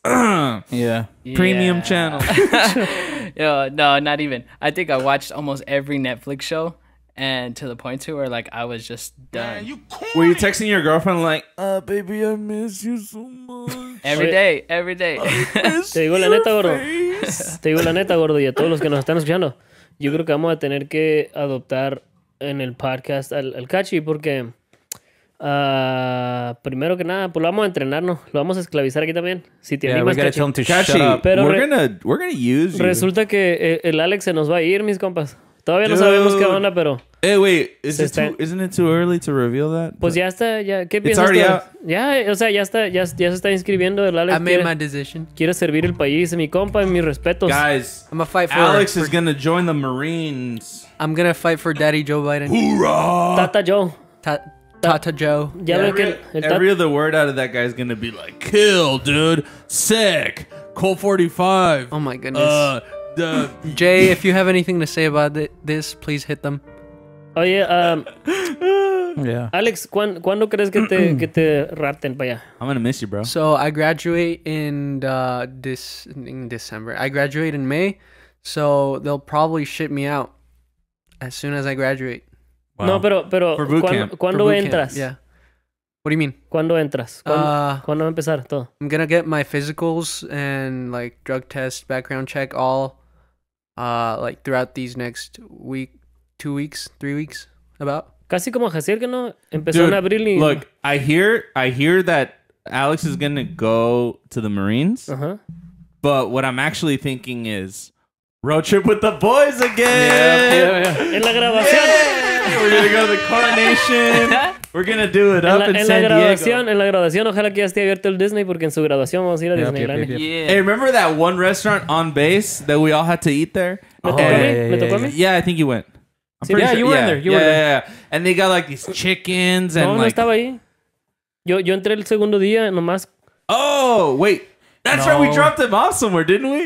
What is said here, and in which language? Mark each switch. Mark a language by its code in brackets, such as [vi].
[en] Yeah. Premium channel. No, not even. I think I watched almost every Netflix show, and to the point to where like I was just done. Man, you were you texting your girlfriend like, baby, I miss you so much. Every day. [es] Te digo la neta, gordo. Te digo la neta, gordo. Y a todos los que nos están escuchando, yo creo que vamos a tener que adoptar en el podcast al Cachi porque, primero que nada, pues lo vamos a entrenar, ¿no? Lo vamos a esclavizar aquí también. Si te animas, [en] Cachi. [es] Pero [en] we're gonna use you. [es] Resulta que el Alex se nos va a ir, mis compas. Todavía no sabemos qué onda, pero... [en] Hey, wait, isn't it too early to reveal that? [es] Pues ya está, ya. ¿Qué piensas? [en] It's already out. [es] Ya, o sea, ya está, ya se está inscribiendo el Alex. [en] I made my decision. [es] Quiere servir el país, mi compa, y mis respetos. [en] Guys, I'm gonna fight for Alex is gonna join the Marines. I'm gonna fight for Daddy Joe Biden. Hoorah! [es] Tata Joe. Tata Joe. Ya ve que [en] every other word out of that guy is gonna be like, kill, dude. Sick. Colt 45. Oh my goodness. Jay, if you have anything to say about this, please hit them. Oh yeah, yeah. [es] Alex, ¿cuándo crees que te rapten para allá? [en] I'm gonna miss you, bro. So I graduate in December. I graduate in May, so they'll probably ship me out as soon as I graduate. [es] Wow. No, pero [en] for boot camp. [es] ¿Cuándo [en] for boot [es] entras? [en] Camp. Yeah. What do you mean? [es] ¿Cuándo entras? ¿Cuándo va a empezar todo? [en] I'm gonna get my physicals and like drug test, background check, all like throughout these next week, 2 weeks, 3 weeks, about. [es] Casi como Jaciel que no empezó en abril. [en] Look, I hear that Alex is gonna go to the Marines. But what I'm actually thinking is road trip with the boys again. Yeah. [es] En la grabación. [en] Yeah. We're gonna go to the coronation. We're going to do it up in San Diego. [es] En la graduación, ojalá que ya esté abierto el Disney, porque en su graduación vamos a ir a Disneyland. [en] Hey, remember that one restaurant on base that we all had to eat there? [es] Me tocó a mí. [en] I think you went. You were there. And they got like these chickens and [es] no estaba ahí. Yo entré el segundo día nomás. [en] Oh, wait. That's right. We dropped him off somewhere, didn't we?